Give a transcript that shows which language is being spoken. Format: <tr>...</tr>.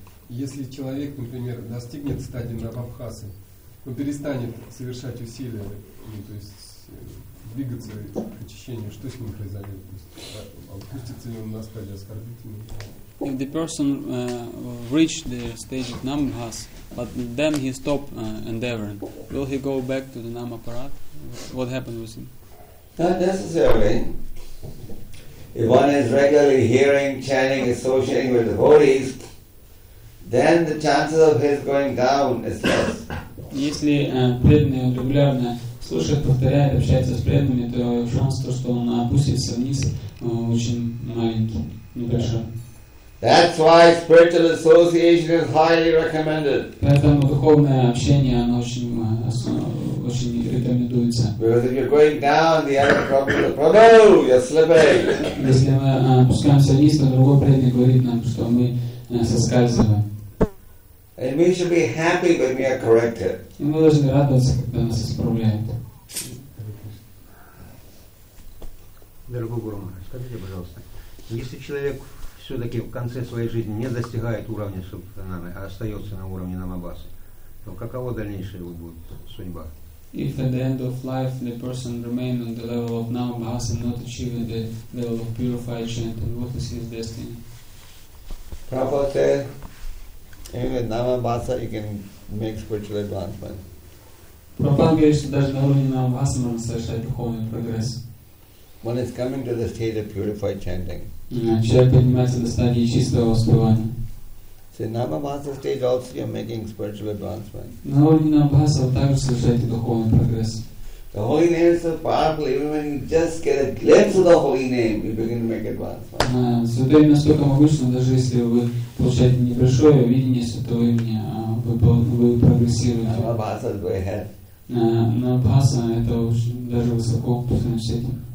<ru>Если человек, например, достигнет стадии Рабабхасы, он перестанет совершать усилия, то есть двигаться к очищению, что с ним произойдет? Опустится ли он на стадии оскорбительной?</ru> <en>If the person reached the stage of Namabhas, but then he stopped endeavoring, will he go back to the Namaparat? What happened with him? Not necessarily. If one is regularly hearing, chanting, associating with devotees, then the chances of his going down is less.</en> <ru>Если преданный регулярно слушает, повторяет, общается с преданными, то шанс, что он опустится вниз, очень маленький, небольшой.</ru> <en>That's why spiritual association is highly recommended.</en> <ru>Поэтому духовное общение, оно очень рекомендуется.</ru> <en>Because if you're going down, the other Prabhu, you're slipping.</en> <ru>Если мы опускаемся вниз, то другой преданный говорит нам, что мы соскальзываем.</ru> <en>And we should be happy when we are corrected.</en> <ru>И мы должны радоваться, когда нас исправляют. Дорогой Гуру Махарадж, скажите, пожалуйста, если человек все-таки в конце своей жизни не достигает уровня субханамы, а остается на уровне намабасы, то каково дальнейшая его будет судьба?</ru> <en>If at the end of life the person remains on the level of namabasa, not achieving the level of purified chant, then what is his destiny? Prabhupada said, even with namabasa you can make spiritual advancement.</en> <ru>Prabhupada говорит, что даже на уровне намабасы можно совершать духовный прогресс.</ru> <en>When it's coming to the state of purified chanting.</en> <ru>Человек поднимается до стадии чистого воспевания.</ru> <en>So in Namabhasa stage also you're making spiritual advancement.</en> <ru>На уровне Намабхаса вы также совершаете духовный прогресс.</ru> <en>The holy name is so powerful, even when you just get a glimpse of the holy name, you begin to make advancement.</en> <ru>Святое имя настолько могущественно, даже если вы получаете небольшое видение святого имени, вы прогрессируете.</ru> <en>Намабхаса, go ahead.</en> <ru>Намабхаса это очень даже высоко по своему сети.</ru>